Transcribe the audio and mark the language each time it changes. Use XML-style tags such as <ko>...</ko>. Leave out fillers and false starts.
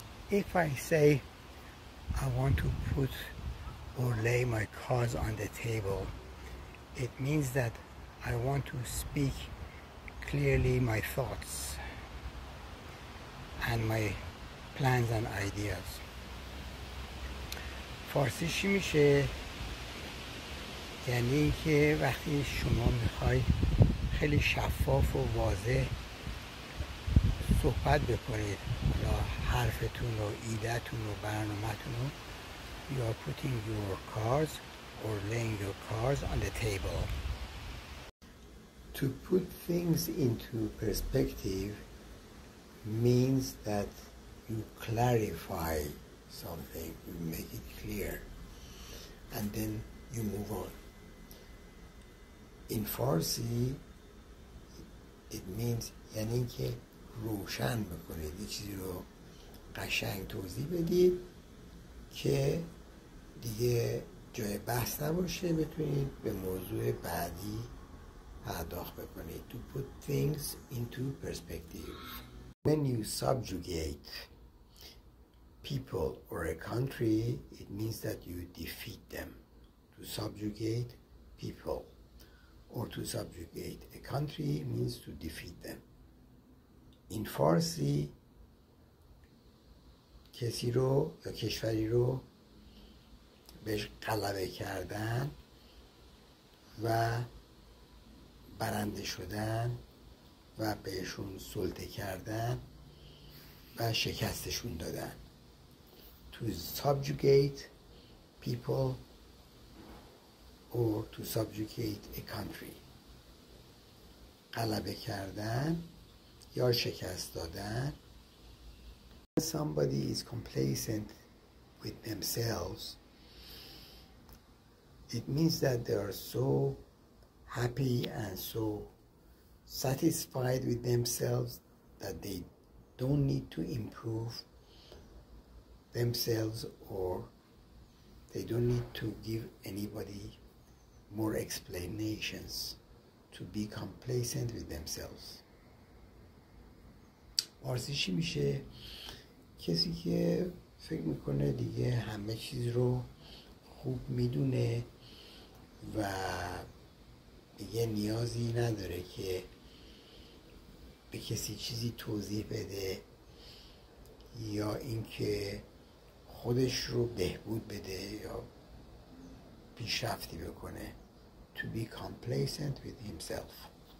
<en>If I say I want to put or lay my cards on the table, it means that I want to speak clearly my thoughts and my plans and ideas.</en> <fa>فارسی چی میشه؟ یعنی اینکه وقتی شما میخوای خیلی شفاف و واضح صحبت بکنید، حرفتون رو، ایدتون رو، برنامه‌تون رو،</fa> <en>you are putting your cards or laying your cards on the table. To put things into perspective means that you clarify something, you make it clear, and then you move on. In Farsi, it means</en> <fa>یعنی که روشن بکنید، یه چیزی رو قشنگ توضیح بدید که دیگه جای بحث نباشه، بتونید به موضوع بعدی پرداخت بکنید.</fa> <en>To put things into perspective. When you subjugate people or a country, it means that you defeat them. To subjugate people or to subjugate a country means to defeat them. In Farsi,</en> <fa>کسی رو یا کشوری رو بهش غلبه کردن و برنده شدن و بهشون سلطه کردن و شکستشون دادن.</fa> <en>To subjugate people or to subjugate a country.</en> <fa>غلبه کردن یا شکست دادن.</fa> <en>Somebody is complacent with themselves, it means that they are so happy and so satisfied with themselves that they don't need to improve themselves or they don't need to give anybody more explanations, to be complacent with themselves.</en> <fa>فارسی چی میشه؟ کسی که فکر میکنه دیگه همه چیز رو خوب میدونه و دیگه نیازی نداره که به کسی چیزی توضیح بده یا اینکه خودش رو بهبود بده یا پیشرفتی بکنه.</fa> <en>To be complacent with himself.</en>